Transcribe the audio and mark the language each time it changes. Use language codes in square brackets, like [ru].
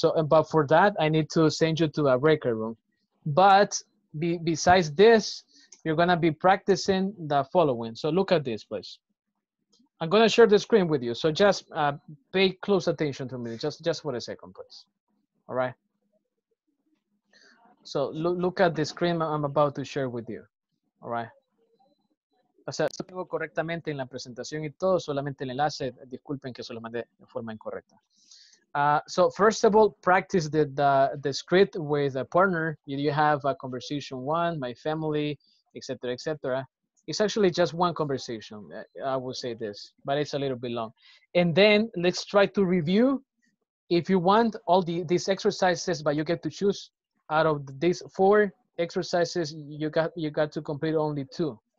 [en] So, but for that, I need to send you to a breakout room. But besides this, you're going to be practicing the following. So look at this, please. I'm going to share the screen with you. So just pay close attention to me. Just for a second, please. All right. So look at the screen I'm about to share with you. All right. [es] O sea, lo tengo correctamente en la presentación y todo, solamente el enlace. Disculpen que se lo mandé de forma incorrecta. [en] So first of all, practice the script with a partner. You have a conversation one, my family, etc., etc. It's actually just one conversation. I will say this, but it's a little bit long. And then let's try to review. If you want all these exercises, but you get to choose out of these four exercises, you got to complete only two.